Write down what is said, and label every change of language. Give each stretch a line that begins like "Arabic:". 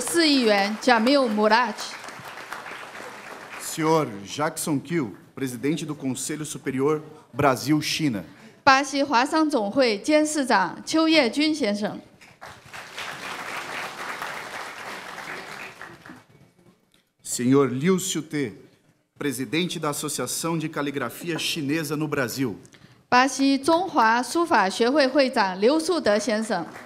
Chinese: 圣保罗市市议员贾米尔·穆拉德。
Portuguese: Senhor Jackson Kiu, presidente do Conselho Superior Brasil-China.
Chinese: 巴西华商总会监事长邱叶军先生。
Portuguese: Senhor Liu Xiute, presidente da Associação de Caligrafia Chinesa no Brasil.
Chinese: 巴西中华书法学会会长刘树德先生。